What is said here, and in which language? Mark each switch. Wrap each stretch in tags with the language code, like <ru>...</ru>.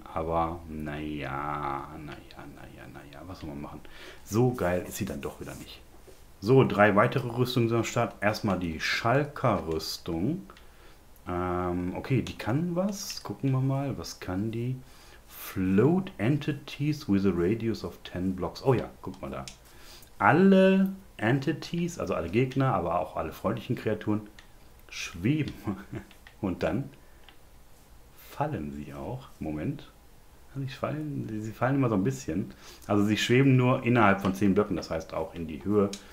<de>Aber naja. Was soll man machen? So geil ist sie dann doch wieder nicht. So, drei weitere Rüstungen sind am Start. Erstmal die Schalker-Rüstung. Okay, die kann was. Gucken wir mal, was kann die?</de> <en>Float Entities with a Radius of 10 Blocks.</en> <de>Oh ja, guck mal da. Alle Entities, also alle Gegner, aber auch alle freundlichen Kreaturen, schweben. Und dann fallen sie auch. Moment. Sie fallen immer so ein bisschen. Also sie schweben nur innerhalb von 10 Blöcken, das heißt auch in die Höhe.</de>